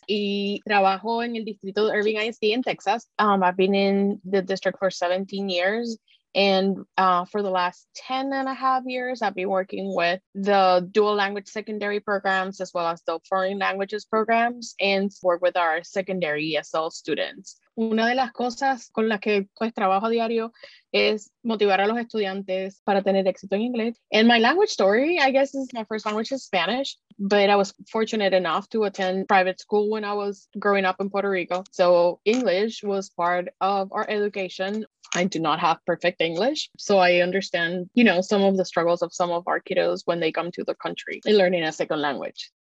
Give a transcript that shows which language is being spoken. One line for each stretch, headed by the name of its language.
Spanish: Y trabajo en el distrito de Irving ISD
English: in Texas. I've been in the district for 17 years. And for the last 10 and a half years, I've been working with the dual language secondary programs as well as the foreign languages programs and work with our secondary ESL students.
Spanish: Una de las cosas con las que pues trabajo diario es motivar a los estudiantes para tener éxito en inglés.
English: And my language story, I guess, is my first language is Spanish, but I was fortunate enough to attend private school when I was growing up in Puerto Rico. So English was part of our education. I do not have perfect English, so I understand, you know, some of the struggles of some of our kiddos when they come to the country and learning a second language.